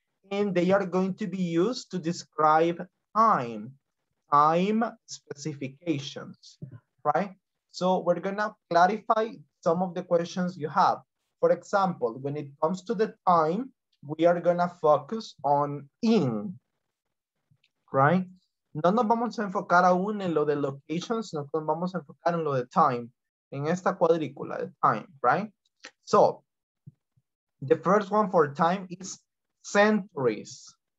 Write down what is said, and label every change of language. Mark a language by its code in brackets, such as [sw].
[en] And they are going to be used to describe time specifications, right? So we're going to clarify some of the questions you have. For example, when it comes to the time, we are going to focus on in, right? [es] No nos vamos a enfocar aún en lo de locations, no nos vamos a enfocar en lo de time, en esta cuadrícula de time, right? [en] So, the first one for time is centuries.